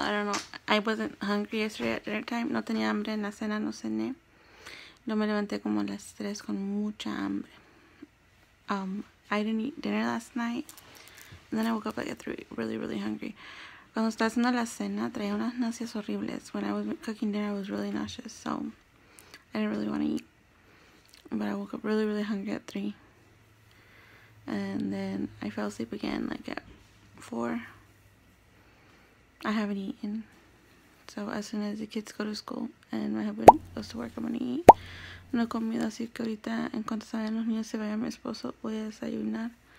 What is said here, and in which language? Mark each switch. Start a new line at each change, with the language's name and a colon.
English: I don't know. I wasn't hungry yesterday at dinner time.
Spanish: No tenía hambre en la cena. No cené. No me levanté como a las 3 con mucha hambre.
English: I didn't eat dinner last night. And then I woke up like at 3 really, really hungry.
Spanish: Cuando estaba haciendo la cena, traía unas náuseas horribles.
English: When I was cooking dinner, I was really nauseous. So, I didn't really want to eat. But I woke up really, really hungry at 3. And then I fell asleep again, like, at 4. I haven't eaten. So as soon as the kids go to school and my husband goes to work, I'm gonna eat.
Spanish: No he comido, así que ahorita, en cuanto salgan los niños, se vaya mi esposo, voy a desayunar.